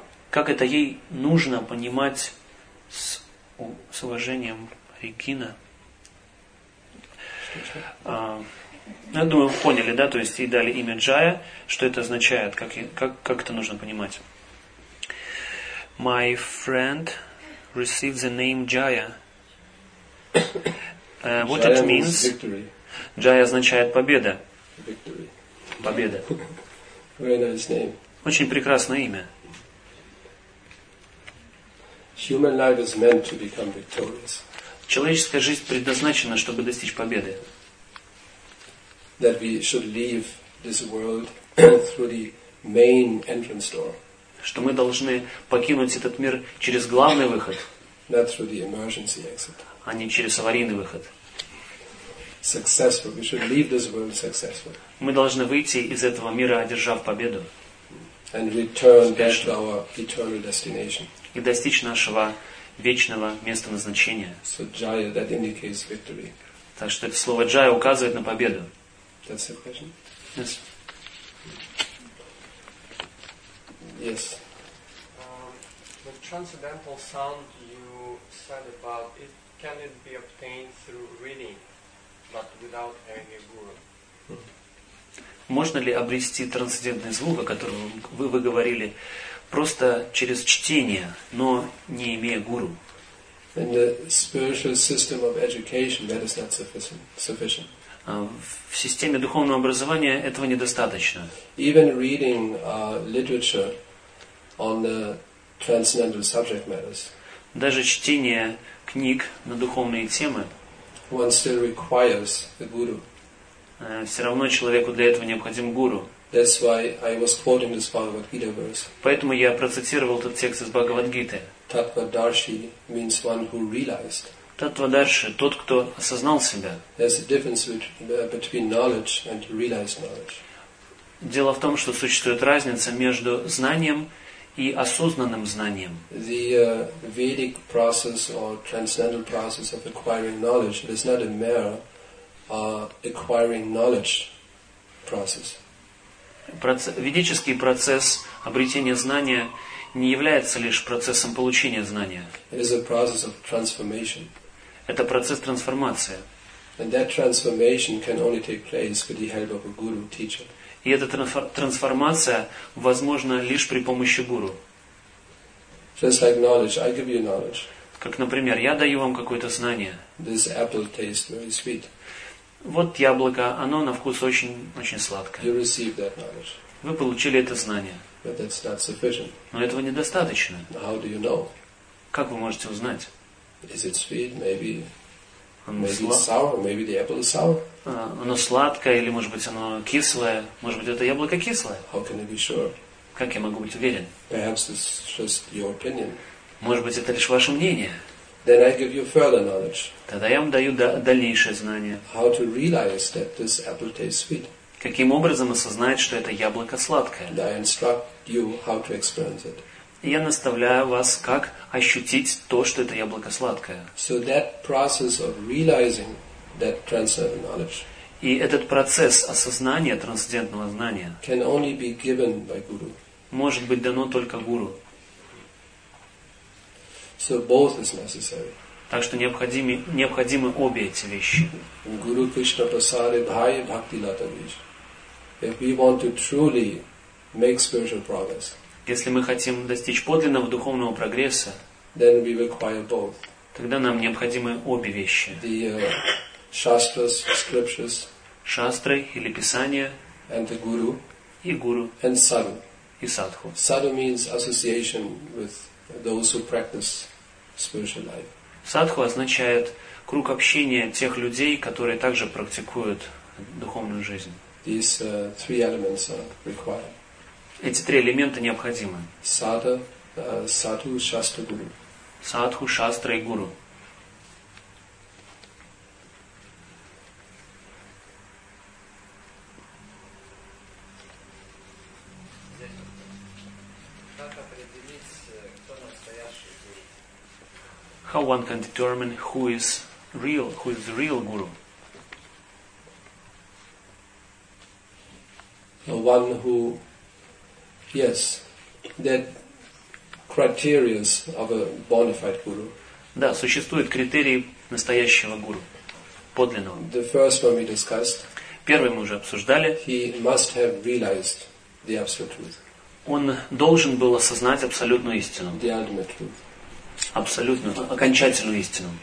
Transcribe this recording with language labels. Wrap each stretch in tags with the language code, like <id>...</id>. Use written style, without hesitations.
<ru>как это ей нужно понимать с уважением Регина? Я думаю, вы поняли, да, то есть ей дали имя Джая, что это означает, как это нужно понимать.</ru> <en>My friend received the name Jaya. What Jaya it means? Victory.</en> <ru>Jaya означает победа.</ru> <en>Victory.</en> <ru>Победа.</ru> <en>Very nice name.</en> <ru>Очень прекрасное имя.</ru> <en>Human life is meant to become victorious.</en> <ru>Человеческая жизнь предназначена, чтобы достичь победы.</ru> <en>That we should leave this world through the main entrance door.</en> <ru>Что мы должны покинуть этот мир через главный выход.</ru> <en>Not through the emergency exit.</en> <ru>А не через аварийный выход.</ru> <en>Successful. We should leave this world successful.</en> <ru>Мы должны выйти из этого мира, одержав победу.</ru> <en>And return back to our eternal destination.</en> <ru>И достичь нашего вечного места назначения.</ru> <en>So Jaya, that indicates victory.</en> <ru>Так что это слово Джая указывает на победу.</ru> <en>That's the question? Yes. Yes. The transcendental sound you said about, it can it be obtained through reading, but without any guru?</en> <ru>Можно ли обрести трансцендентный звук, о котором вы говорили, просто через чтение, но не имея гуру?</ru> <en>In the spiritual system of education, that is not sufficient.</en> <ru>в системе духовного образования этого недостаточно.</ru> <en>Even reading literature on the transcendental subject matters.</en> <ru>Даже чтение книг на духовные темы.</ru> <en>One still requires a guru.</en> <ru>Все равно человеку для этого необходим гуру.</ru> <en>That's why I was quoting this Bhagavad Gita verse.</en> <ru>Поэтому я процитировал этот текст из Бхагавадгиты.</ru> <en>Tattva darshi means one who realized.</en> <ru>Tattva darshi — тот, кто осознал себя.</ru> <en>There's a difference between knowledge and realized knowledge.</en> <ru>Дело в том, что существует разница между знанием и осознанным знанием.</ru> <en>The Vedic process or transcendental process of acquiring knowledge is not a mere acquiring knowledge process.</en> <ru>Ведический процесс обретения знания не является лишь процессом получения знания.</ru> <en>It is a process of transformation.</en> <ru>Это процесс трансформации.</ru> <en>And that transformation can only take place with the help of a guru teacher.</en> <ru>И эта трансформация возможна лишь при помощи гуру.</ru> <en>Just like knowledge, I give you knowledge.</en> <ru>Как, например, я даю вам какое-то знание.</ru> <en>This apple tastes very sweet.</en> <ru>Вот яблоко, оно на вкус очень-очень сладкое.</ru> <en>You receive that knowledge.</en> <ru>Вы получили это знание.</ru> <en>But that's not sufficient.</en> <ru>Но этого недостаточно.</ru> <en>How do you know?</en> <ru>Как вы можете узнать?</ru> <en>Is it sweet? Maybe. Sour, maybe the apple is sour.</en> <ru>Оно сладкое, или может быть оно кислое. Может быть, это яблоко кислое.</ru> <en>How can I be sure?</en> <ru>Как я могу быть уверен?</ru> <en>Perhaps it's just your opinion.</en> <ru>Может быть, это лишь ваше мнение.</ru> <en>Then I give you further knowledge.</en> <ru>Тогда я вам даю дальнейшее знание.</ru> <en>How to realize that this apple tastes sweet.</en> <ru>Каким образом осознать, что это яблоко сладкое?</ru> <en>And I instruct you how to experience it.</en> <ru>Я наставляю вас, как ощутить то, что это яблоко сладкое.</ru> <en>So that process of realizing that transcendental knowledge.</en> <ru>И этот процесс осознания трансцендентного знания</ru> <en>can only be given by guru.</en> <ru>Может быть дано только гуру.</ru> <en>So both is necessary.</en> <ru>Так что необходимы обе эти вещи.</ru> <en>Guru Krishna Prasad Bhai Bhakti Lata Vish. If we want to truly make spiritual progress,</en> <ru>если мы хотим достичь подлинного духовного прогресса,</ru> <en>then we require both.</en> <ru>Тогда нам необходимы обе вещи.</ru> <en>The shastras, scriptures,</en> <ru>шастры или писания,</ru> <en>and the guru,</en> <ru>и гуру,</ru> <en>and sadhu,</en> <ru>и садху.</ru> <en>Sadhu means association with those who practice spiritual life.</en> <ru>Садху означает круг общения тех людей, которые также практикуют духовную жизнь.</ru> <en>These three elements are required.</en> <ru>Эти три элемента необходимы. Садху, шастра, гуру. Садху, шастра и гуру. Как определить, кто настоящий гуру?</ru> <en>How one can determine who is the real guru? The one who... Yes, that criteria of a bona fide guru.</en> <ru>Да, существуют критерии настоящего гуру, подлинного.</ru> <en>The first one we discussed.</en> <ru>Первый мы уже обсуждали.</ru> <en>He must have realized the absolute truth.</en> <ru>Он должен был осознать абсолютную истину.</ru> <en>The ultimate truth.</en> <ru>Абсолютную, окончательную истину.</ru>